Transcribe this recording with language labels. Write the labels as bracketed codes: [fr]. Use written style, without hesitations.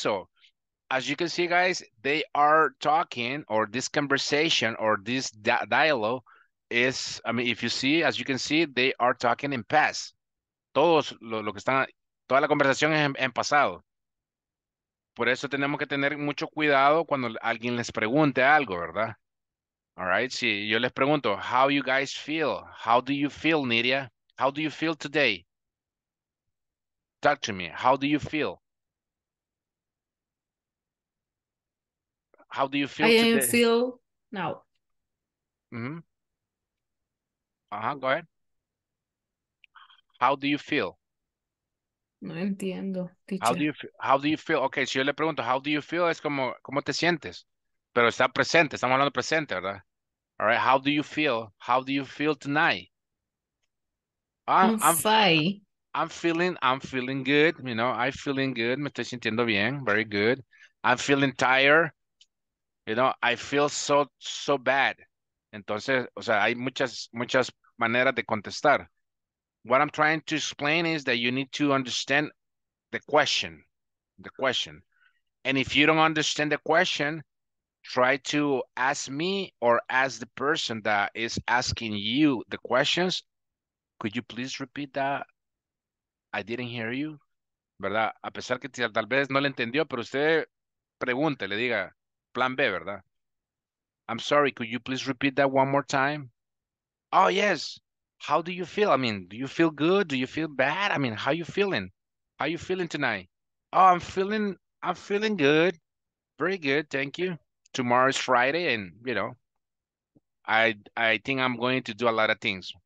[en] So, as you can see, guys, they are talking, or this conversation, or this dialogue is, I mean, if you see, as you can see, they are talking in past. [es] Todos lo que están, toda la conversación es en pasado. Por eso tenemos que tener mucho cuidado cuando alguien les pregunte algo, ¿verdad? [en] All right, [es] si yo les pregunto, [en] how you guys feel? How do you feel, Nidia? How do you feel today? Talk to me, how do you feel? How do you feel today? I feel now. Mm-hmm. Uh-huh, go ahead. How do you feel? [es] No entiendo, teacher. [en] How do you feel? Okay, [es] si yo le pregunto, [en] how do you feel? [es] Es como, ¿cómo te sientes? Pero está presente, estamos hablando presente, ¿verdad? [en] All right, how do you feel? How do you feel tonight? I'm fine. I'm feeling good, you know. I'm feeling good. [es] Me estoy sintiendo bien. [en] Very good. I'm feeling tired. You know, I feel so bad. [es] Entonces, o sea, hay muchas maneras de contestar. [en] What I'm trying to explain is that you need to understand the question. And if you don't understand the question, try to ask me or ask the person that is asking you the questions. Could you please repeat that? I didn't hear you. [es] ¿Verdad? A pesar que tal vez no le entendió, pero usted pregunte, le diga plan B, ¿verdad? [en] I'm sorry, could you please repeat that one more time? Oh, yes. How do you feel? I mean, do you feel good? Do you feel bad? I mean, how you feeling? How you feeling tonight? Oh, I'm feeling good. Very good, thank you. Tomorrow is Friday, and you know, I think I'm going to do a lot of things.